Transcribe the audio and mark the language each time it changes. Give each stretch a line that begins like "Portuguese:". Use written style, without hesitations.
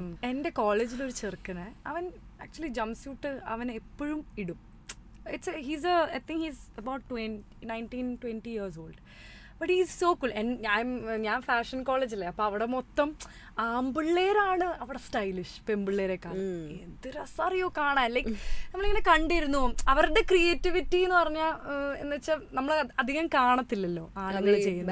Malayalam: എന്റെ കോളേജിൽ ഒരു ചെറുക്കനെ അവൻ ആക്ച്വലി ജമ്പ് സൂട്ട് അവൻ എപ്പോഴും ഇടും.
English: It's a, he's a, I think he's about 19-20 years old. But he's so cool. And I'm fashion college.
Malayalam: അപ്പൊ അവിടെ മൊത്തം ആമ്പിള്ളേരാണ് അവിടെ സ്റ്റൈലിഷ് പെമ്പിള്ളേരെക്കാളും. എന്ത് രസറിയോ കാണാൻ, ലൈക് നമ്മളിങ്ങനെ കണ്ടിരുന്നു അവരുടെ ക്രിയേറ്റിവിറ്റി എന്ന് പറഞ്ഞാൽ എന്ന് വെച്ചാൽ നമ്മൾ അധികം കാണത്തില്ലല്ലോ ആളുകൾ ചെയ്യുന്നത്.